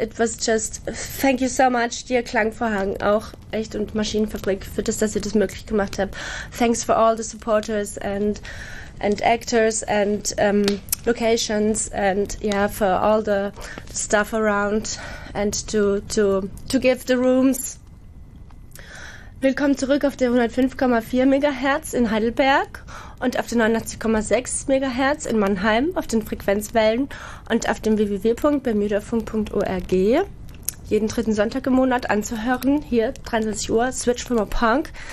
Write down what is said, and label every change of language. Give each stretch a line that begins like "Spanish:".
English: It was just, thank you so much, dear
German: Klangvorhang, auch echt, und Maschinenfabrik, für das, dass ihr das möglich gemacht habt.
English: Thanks for all the supporters and actors and locations and for all the stuff around and to give the rooms.
German: Willkommen zurück auf der 105,4 MHz in Heidelberg und auf der 89,6 MHz in Mannheim auf den Frequenzwellen und auf dem www.bermudafunk.org. Jeden dritten Sonntag im Monat anzuhören, hier 23 Uhr, Switch from a Punk.